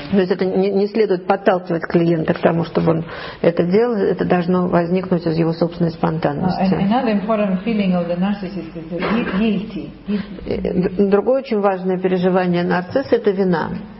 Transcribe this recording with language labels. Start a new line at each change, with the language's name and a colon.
Russian: То есть это не следует подталкивать клиента к тому, чтобы он это делал. Это должно возникнуть из его собственной спонтанности.
English: Another important feeling of the narcissist is guilty.
Russian: Другое очень важное переживание нарцисса – это вина.